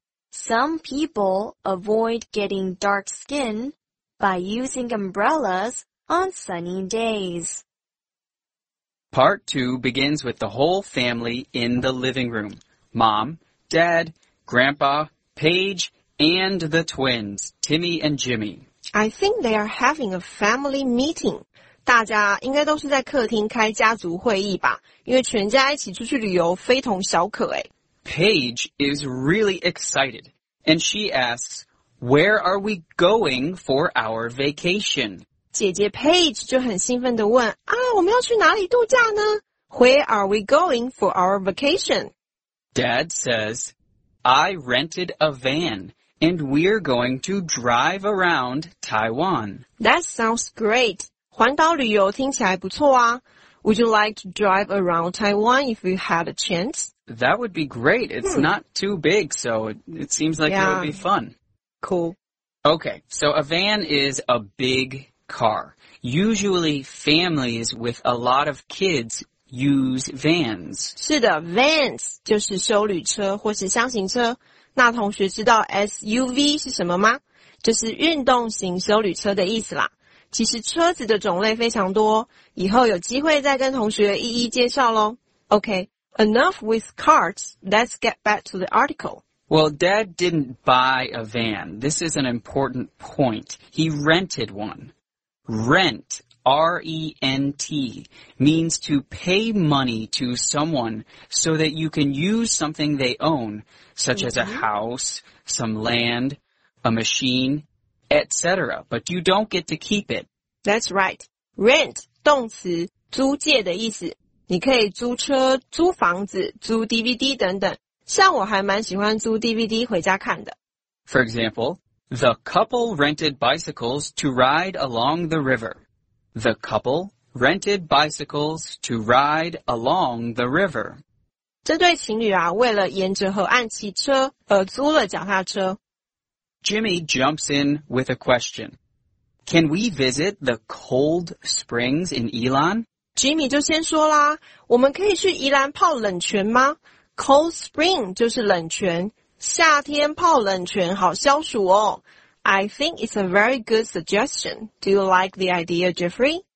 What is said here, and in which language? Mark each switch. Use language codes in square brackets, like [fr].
[en] Some people avoid getting dark skin by using umbrellas on sunny days. Part 2 begins with the whole family in the living room. Mom, Dad, Grandpa, Paige, and the twins, Timmy and Jimmy. I think they are having a family meeting. [zh] 大家应该都是在客厅开家族会议吧，因为全家一起出去旅游非同小可诶。 [en] Paige is really excited, and she asks, where are we going for our vacation? [zh] 姐姐 Paige 就很兴奋地问,啊,我们要去哪里度假呢? [en] Where are we going for our vacation? Dad says, I rented a van, and we're going to drive around Taiwan. That sounds great. [zh] 环岛旅游听起来不错啊。 [en] Would you like to drive around Taiwan if you had a chance? That would be great. It's not too big, so it seems like it would be fun. Cool. Okay, so a van is a big car. Usually, families with a lot of kids use vans. [zh] 是的 ,vans 就是休旅车或是厢型车。那同学知道 SUV 是什么吗? 就是运动型休旅车的意思啦。其实车子的种类非常多,以后有机会再跟同学一一介绍咯。 [en] Okay. Enough with carts, let's get back to the article. Well, Dad didn't buy a van. This is an important point. He rented one. Rent R-E-N-T, means to pay money to someone so that you can use something they own, such as a house, some land, a machine, etc. But you don't get to keep it. That's right. [zh] Rent, 动词，租借的意思。你可以租车、租房子、租 DVD 等等。像我还蛮喜欢租 DVD 回家看的。 [en] For example, the couple rented bicycles to ride along the river. The couple rented bicycles to ride along the river. [zh] 这对情侣啊，为了沿着河岸骑车而租了脚踏车。 [en] Jimmy jumps in with a question. Can we visit the cold springs in Elon? [zh] Jimmy 就先说啦，我们可以去宜兰泡冷泉吗 ？Cold spring 就是冷泉，夏天泡冷泉好消暑哦。 [en] I think it's a very good suggestion. Do you like the idea, Jeffrey?